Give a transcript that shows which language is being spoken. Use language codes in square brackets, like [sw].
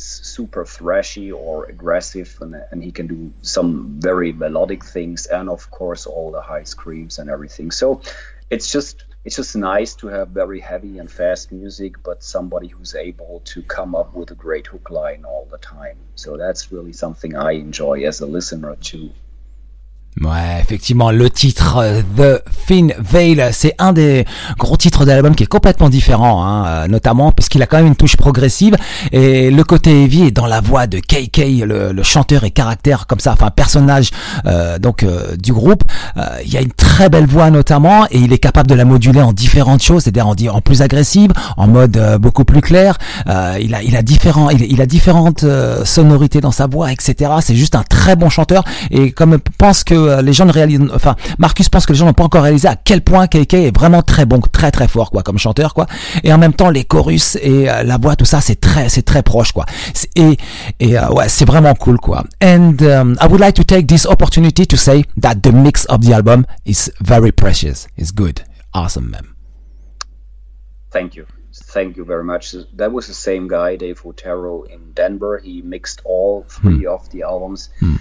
[en] It's super thrashy or aggressive, and he can do some very melodic things, and of course all the high screams and everything. So it's just nice to have very heavy and fast music, but somebody who's able to come up with a great hook line all the time. So that's really something I enjoy as a listener too. [fr] Ouais, effectivement, le titre The Thin Veil, c'est un des gros titres de l'album qui est complètement différent, hein, notamment puisqu'il a quand même une touche progressive, et le côté heavy est dans la voix de KK, le chanteur et caractère comme ça, enfin personnage du groupe. Il y a une très belle voix notamment, et il est capable de la moduler en différentes choses, c'est-à-dire en plus agressive, en mode beaucoup plus clair. Il a différentes sonorités dans sa voix, etc. C'est juste un très bon chanteur, et comme pense que les gens ne réalisent, enfin Marcus pense que les gens n'ont pas encore réalisé à quel point KK est vraiment très bon, très très fort quoi, comme chanteur quoi. Et en même temps les chorus et la voix, tout ça c'est très proche quoi. Et c'est vraiment cool quoi. [en] And I would like to take this opportunity to say that the mix of the album is very precious. It's good, awesome man. Thank you very much. That was the same guy, Dave Otero in Denver. He mixed all three of the albums.